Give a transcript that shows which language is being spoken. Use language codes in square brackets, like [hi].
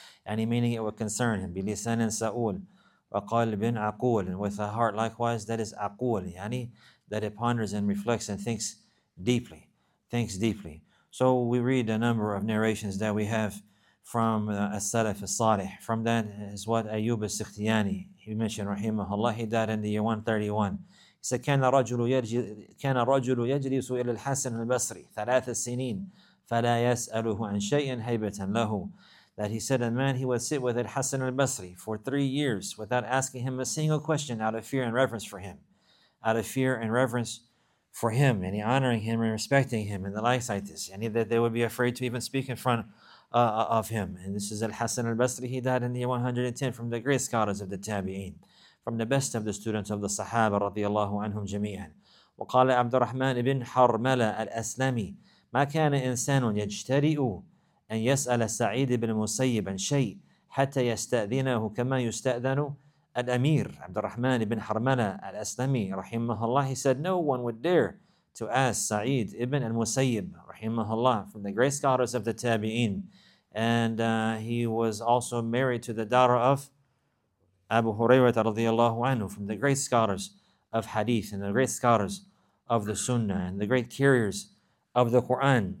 [en] Any meaning it would concern him, bilisan and sa'ul wa qalbin aqul, and with a heart likewise that is aqul, yani that it ponders and reflects and thinks deeply. So we read a number of narrations that we have from As-Salaf As-Salih. From that is what Ayyub As-Sikhtiyani, he mentioned, rahimahullah, he died in the year 131. He said, [ar] كَانَ رَجُلُ يَجْلِسُ إِلَى الْحَسَنِ الْبَصْرِ ثَلَاثَ السِّنِينَ فَلَا يَسْأَلُهُ عَنْ شَيْءٍ هَيْبَةً لَهُ. [en] That he said, a man, he would sit with Al-Hasan al-Basri for 3 years without asking him a single question out of fear and reverence for him. Out of fear and reverence for him, and he honoring him and respecting him and the likes like this, and that they would be afraid to even speak in front of him. And this is Al-Hasan al-Basri. He died in the year 110, from the great scholars of the Tabi'een, from the best of the students of the Sahaba radiallahu anhum jami'an. [ar] وقال عبد الرحمن بن حرملة الأسلمي ما كان إنسان يجترئ أن يسأل سعيد بن مسيب عن شيء حتى يستأذنه كما يستأذن الأمير. [en] عبد الرحمن بن حرملة الأسلمي رحمه الله, he said, no one would dare to ask Sa'id ibn al-Musayyib, rahimahullah, from the great scholars of the Tabi'in. And he was also married to the daughter of Abu Hurairah radiallahu anhu, from the great scholars of Hadith and the great scholars of the Sunnah and the great carriers of the Quran.